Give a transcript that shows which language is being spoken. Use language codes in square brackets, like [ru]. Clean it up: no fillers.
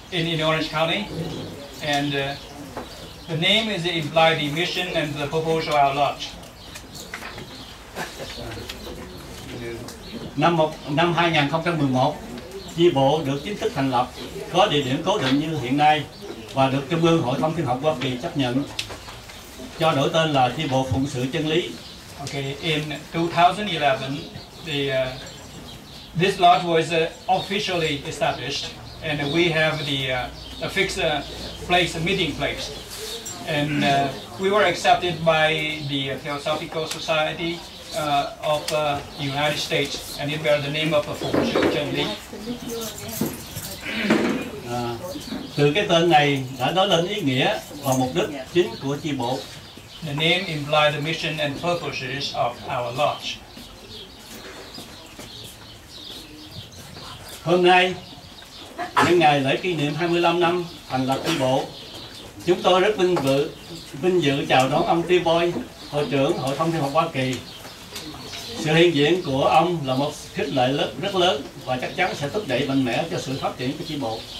[en] In Orange County, and the name is implied the mission and the purpose of our lodge. [vi] Năm 2011, chi bộ được chính thức thành lập, có địa điểm cố định như hiện nay và được Trung ương Hội Thông Thiên học Hoa Kỳ chấp nhận, cho đổi tên là chi bộ Phụng sự Chân Lý. [en] Okay, in 2011, this lodge was officially established, and we have the fixed place, meeting place, and we were accepted by the Theosophical Society of the United States, and it bears the name of Phụng sự Chân Lý. [vi] Từ cái tên này đã nói lên ý nghĩa và mục đích chính của chi bộ. [en] The name implies the mission and purposes of our lodge. [vi] Hôm nay, nhân ngày lễ kỷ niệm 25 năm thành lập chi bộ, chúng tôi rất vinh dự chào đón ông Tim Boyd, Hội trưởng Hội Thông Thiên học Hoa Kỳ. Sự hiện diện của ông là một khích lệ rất lớn và chắc chắn sẽ thúc đẩy mạnh mẽ cho sự phát triển của chi bộ.